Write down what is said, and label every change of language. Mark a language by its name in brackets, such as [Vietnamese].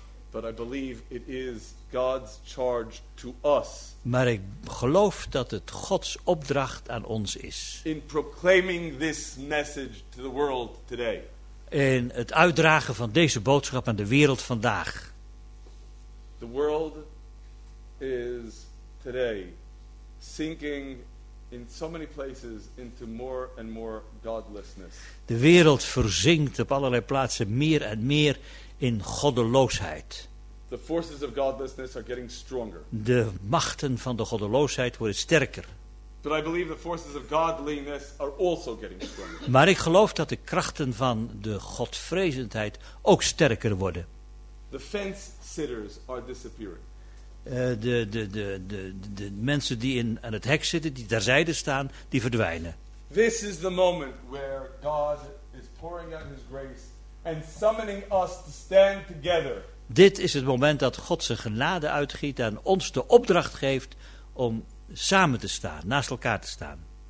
[English] But I believe it is God's charge to us. [Dutch] Maar ik geloof dat het Gods opdracht aan ons is. [English] In proclaiming this message to the world today. [Dutch] In het uitdragen van deze boodschap aan de wereld vandaag. [English] The world is today sinking in so many places into more and more godlessness. [Dutch] De wereld verzinkt op allerlei plaatsen meer en meer in goddeloosheid. [English] The forces of godlessness are getting stronger. [Dutch] De machten van de goddeloosheid worden sterker. [English] But I believe the forces of godliness are also getting stronger. [Dutch] Maar ik geloof dat de krachten van de godvrezendheid ook sterker worden. [English] The fence sitters are disappearing. [Dutch] De mensen die aan het hek zitten, die terzijde staan, die verdwijnen. [English] This is the moment where God is pouring out his grace and summoning us to stand together. [Dutch] Dit is het moment dat God zijn genade uitgiet en ons de opdracht geeft om samen te staan, naast elkaar te staan.